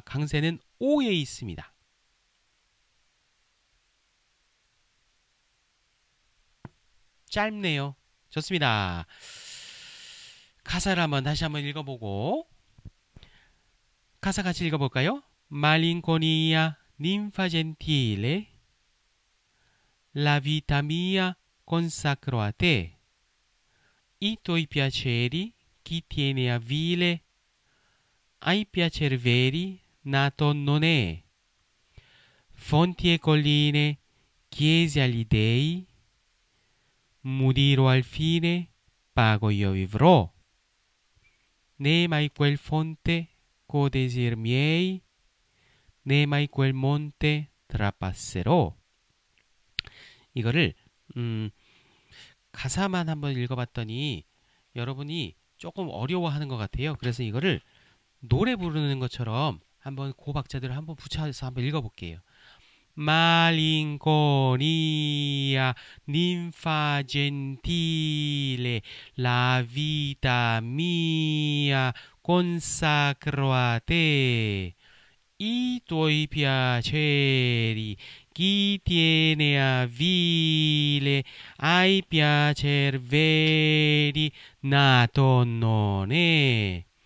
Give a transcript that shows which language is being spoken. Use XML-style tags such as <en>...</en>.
<ko>강세는 오에 있습니다. 짧네요. 좋습니다. 가사를 한번 다시 한번 읽어보고 가사 같이 읽어볼까요?</ko> <it>Malinconia ninfa gentile, la vita mia consacro a te, i tuoi piaceri chi tiene a vile, ai piaceri veri nato non è. Fonti e colline chiese agli dei, muriro al fine pago io vivrò. Né mai quel fonte co desir miei, né mai quel monte trapasserò.</it> <ko>이거를 가사만 한번 읽어봤더니 여러분이 조금 어려워하는 것 같아요. 그래서 이거를 노래 부르는 것처럼 한번 고 박자들을 한번 붙여서 한번 읽어볼게요.</ko> <it>Malinconia, ninfa gentile, la vita mia consacro a te, i tuoi piaceri, chi tiene a vile, ai piaceri veri, nato non è.</it>